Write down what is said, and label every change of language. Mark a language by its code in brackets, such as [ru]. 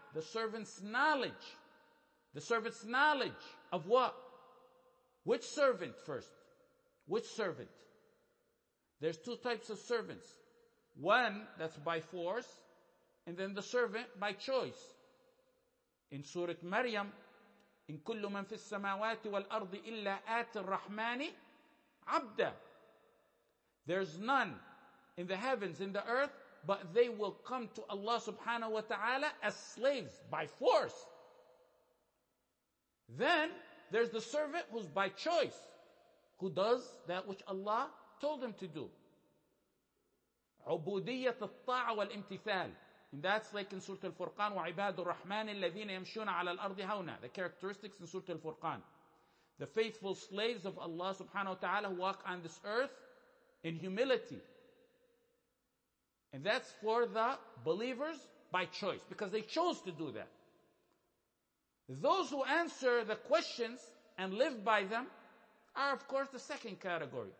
[en] The servant's knowledge. The servant's knowledge of what? Which servant first? Which servant? There's two types of servants. One that's by force, and then the servant by choice. In Surah Maryam, in [ar] كل من في السماوات والأرض إلا آت الرحمن عبدا. [en] There's none in the heavens, in the earth, but they will come to Allah subhanahu wa ta'ala as slaves by force. Then there's the servant who's by choice, who does that which Allah told him to do. [ar] عبوديه الطاعه والامتثال. [en] And that's like in Surah Al-Furqan, [ar] وعباد الرحمن الذين يمشون على الأرض هونا. [en] The characteristics in Surah Al-Furqan. The faithful slaves of Allah subhanahu wa ta'ala who walk on this earth in humility. And that's for the believers by choice, because they chose to do that. Those who answer the questions and live by them are, of course, the second category.